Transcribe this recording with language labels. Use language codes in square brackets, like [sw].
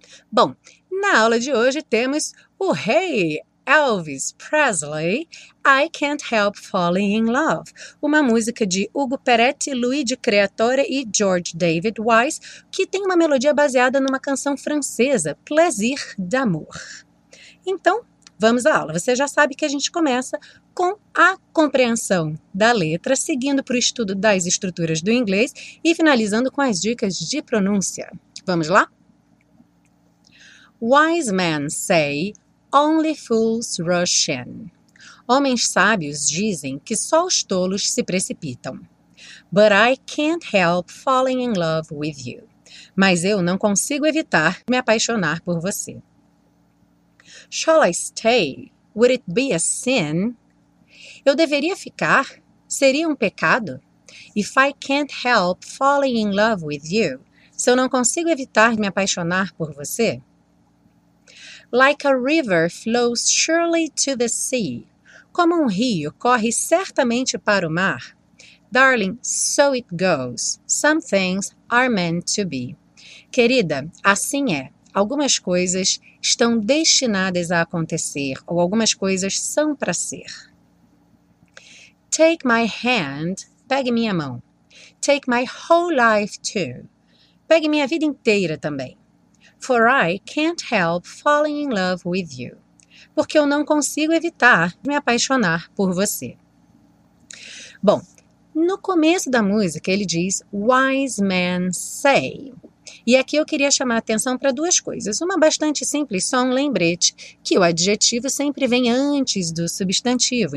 [pt] Bom, na aula de hoje temos o rei Elvis Presley, I Can't Help Falling in Love, uma música de Ugo Peretti, Luigi Creatore e George David Wise, que tem uma melodia baseada numa canção francesa, Plaisir d'Amour. Então, vamos à aula. Você já sabe que a gente começa com a compreensão da letra, seguindo para o estudo das estruturas do inglês e finalizando com as dicas de pronúncia. Vamos lá? [en] Wise men say, only fools rush in. [pt] Homens sábios dizem que só os tolos se precipitam. [en] But I can't help falling in love with you. [pt] Mas eu não consigo evitar me apaixonar por você. [en] Shall I stay? Would it be a sin? [pt] Eu deveria ficar? Seria um pecado? [en] If I can't help falling in love with you, [pt] se eu não consigo evitar me apaixonar por você? [en] Like a river flows surely to the sea. [pt] Como um rio corre certamente para o mar. [en] Darling, so it goes. Some things are meant to be. [pt] Querida, assim é. Algumas coisas estão destinadas a acontecer, ou algumas coisas são para ser. [en] Take my hand, [pt] pegue minha mão. [en] Take my whole life too. [pt] Pegue minha vida inteira também. [en] For I can't help falling in love with you. [pt] Porque eu não consigo evitar me apaixonar por você. Bom, no começo da música ele diz, [en] wise men say. [pt] E aqui eu queria chamar a atenção para duas coisas. Uma bastante simples, só um lembrete, que o adjetivo sempre vem antes do substantivo.